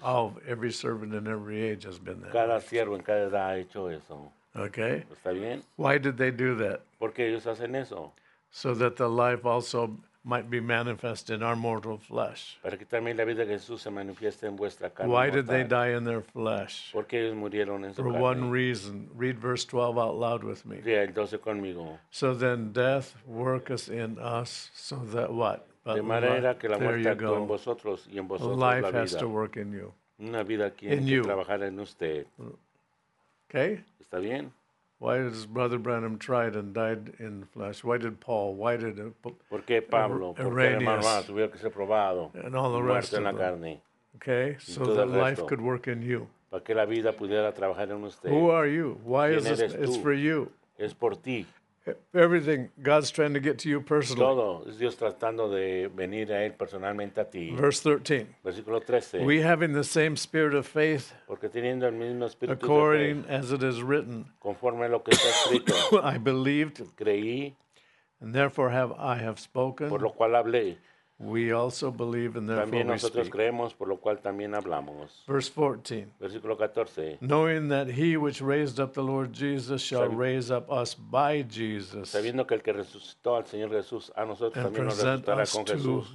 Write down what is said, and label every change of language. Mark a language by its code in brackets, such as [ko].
[en] Oh, every servant in every age has been there. [es] Cada siervo en cada edad ha hecho eso. Okay. ¿Está bien? [en] Why did they do that? [es] Porque ellos hacen eso. [en] So that the life also might be manifest in our mortal flesh. [es] Para que también la vida de Jesús se manifieste en vuestra carne. [en] Why did they die in their flesh? [es] Porque ellos murieron en su [en] carne. For one reason. Read verse 12 out loud with me. [es] Lea el 12 conmigo. [en] So then death worketh in us, so that what? [es] But de manera que la muerte actúa en vosotros y en vosotros [en] life [es] la vida. [en] Life has to work in you. [es] Una vida tiene que [en] you. [es] Trabajar en usted. Okay. Está bien. [en] Why does Brother Branham tried and died in flesh? Why did Paul? Why did Iranius? And all the rest of them. Okay, so that life could work in you. [es] Para que la vida pudiera trabajar en usted. [en] Who are you? Why is this? [es] Tú? [en] It's for you. [es] Es por ti. [en] Everything God's trying to get to you personally. [es] Todo es Dios tratando de venir a él personalmente a ti. [en] Verse 13. [es] Versículo 13. [en] We having the same spirit of faith. [es] Porque teniendo el mismo espíritu de fe. [en] According as it is written. [es] Conforme a lo que está escrito. [en] I believed. [es] Creí. [en] And therefore I have spoken. [es] Por lo cual hablé. [en] We also believe and therefore [es] también nosotros [en] we speak. [es] Creemos, por lo cual también hablamos. [en] Verse 14. [es] Versículo 14. [en] Knowing that he which raised up the Lord Jesus shall raise up us by Jesus. [es] Sabiendo que el que resucitó al Señor Jesús a nosotros también nos resucitará con Jesús.